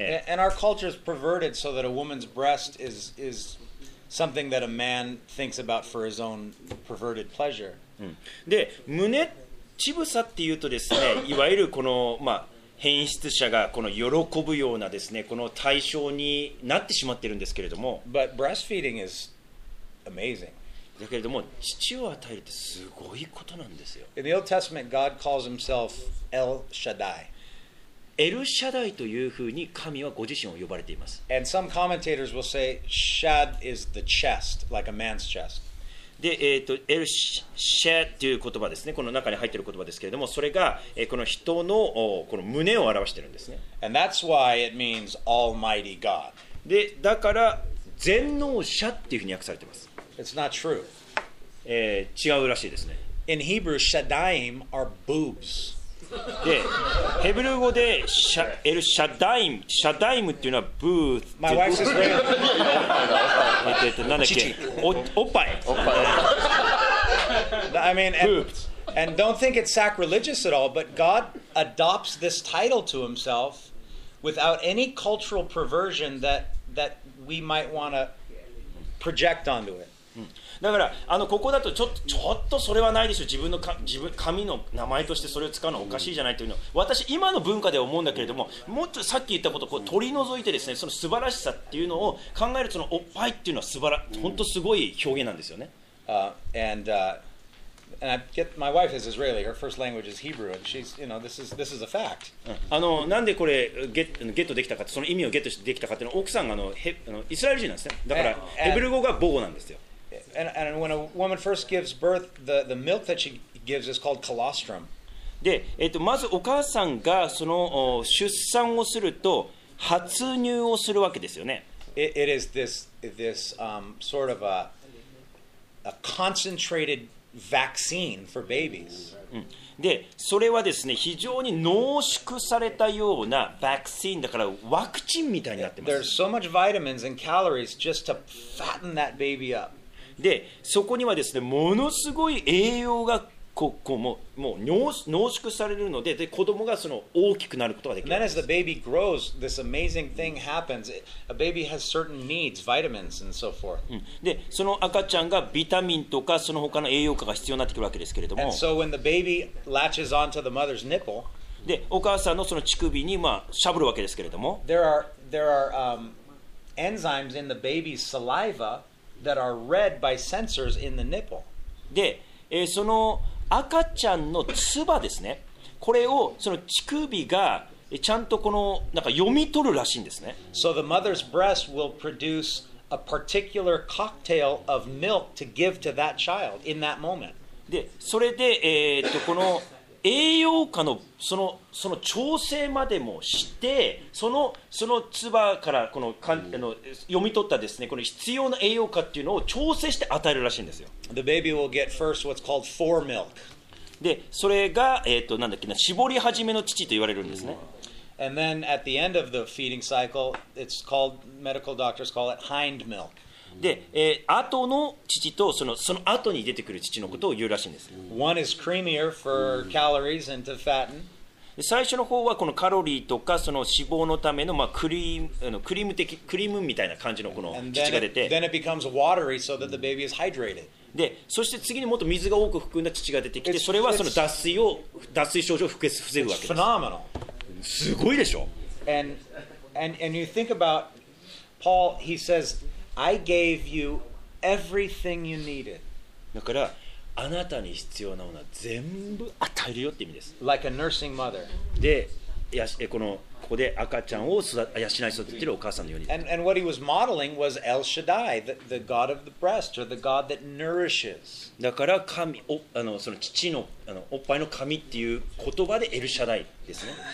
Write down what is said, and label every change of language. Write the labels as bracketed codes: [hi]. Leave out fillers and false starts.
[en] And our culture is perverted so that a woman's breast is something that a man thinks about for his own perverted pleasure. [ja] で、胸乳房っていうとですね、いわゆるこの、まあ、変質者がこの喜ぶようなですね、この対象になってしまってるんですけれども。 [en] But breastfeeding is amazing. [ja] だけれども、乳を与えるってすごいことなんですよ。 [en] In the Old Testament, God calls himself El Shaddai. [ja] エルシャダイというふうに神はご自身を呼ばれています。 [en] And some commentators will say, Shad is the chest, like a man's chest. [ja] で、エルシェという言葉ですね、この中に入っている言葉ですけれども、それが、この人の、この胸を表しているんですね。 [en] And that's why it means Almighty God. [ja] で、だから全能者っていうふうに訳されています。 [en] It's not true. [ja] 違うらしいですね。 [en] In Hebrew, Shaddaim are boobs. [ja] で、ヘブル語でエルシャダイム、シャダイムっていうのはブーツ。 [en] My wife's is very good. [ja] なんだっけ、おっぱい。 [en] I mean, and don't think it's sacrilegious at all, but God adopts this title to himself without any cultural perversion that we might want to project onto it. [ja] だからここだとちょっとそれはないでしょ、自分神の名前としてそれを使うのはおかしいじゃないというのを私今の文化では思うんだけれども、もっとさっき言ったことをこう取り除いてですね、その素晴らしさっていうのを考える、そのおっぱいっていうのは本当すごい表現なんですよね。 [en] My wife is Israeli. Her first language is Hebrew, and she's, you know, this is a fact. [ja] なんでこれゲットできたかって、その意味をゲットできたかっていうのは、奥さんがイスラエル人なんですね。だからヘブル語が母語なんですよ。 [en] And when a woman first gives birth, the milk that she gives is called colostrum. [ja] で、まずお母さんがその出産をすると発乳をするわけですよね。 [en] It is this sort of a concentrated vaccine for babies. [ja] で、それはですね、非常に濃縮されたようなワクチンだから、ワクチンみたいになってます。 [en] There's so much vitamins and calories just to fatten that baby up. [ja] で、そこにはですね、ものすごい栄養がここももう濃縮されるので、で子供がその大きくなることができるんです。 [en] And then as the baby grows, this amazing thing happens. A baby has certain needs, vitamins and so forth. [ja] で、その赤ちゃんがビタミンとかその他の栄養価が必要になってくるわけですけれども。 [en] And so when the baby latches onto the mother's nipple, [ja] で、お母さんのその乳首にまあしゃぶるわけですけれども。 [en] There are enzymes in the baby's saliva. That are read by sensors in the nipple. [ja] で、その赤ちゃんの唾ですね。これをその乳首がちゃんとこのなんか読み取るらしいんですね。 [en] So the mother's breast will produce a particular cocktail of milk to give to that child in that moment. [ja] で、それでこの栄養価のその調整までもして、その唾からこの読み取ったですね、この必要な栄養価っていうのを調整して与えるらしいんですよ。 [en] The baby will get first what's called fore milk. [ja] で、それが、なんだっけな、絞り始めの乳と言われるんですね。 [en] And then at the end of the feeding cycle, it's called, medical doctors call it hind milk. [ja] で、後の乳とその後に出てくる乳のことを言うらしいんです。 [en] One is creamier for calories and to fatten. [ja] 最初の方はこのカロリーとかその脂肪のためのまあクリームみたいな感じのこの乳が出て。 [en] And then it becomes watery so that the baby is hydrated. [ja] で、そして次にもっと水が多く含んだ乳が出てきて、それはその脱水症状を防ぐわけです。 [en] It's phenomenal. [ja] すごいでしょ。 [en] And you think about Paul, he says,I gave you everything you needed. [ja] だからあなたに必要なものは全部与えるよって意味です。 [en] Like a nursing mother. [ja] で、ここで赤ちゃんを養い育てるお母さんのように。 [en] And what he was modeling was El Shaddai, the God of the breast, or the God that nourishes. [ja] だから神、その父の、おっぱいの神っていう言葉でエルシャダイですね。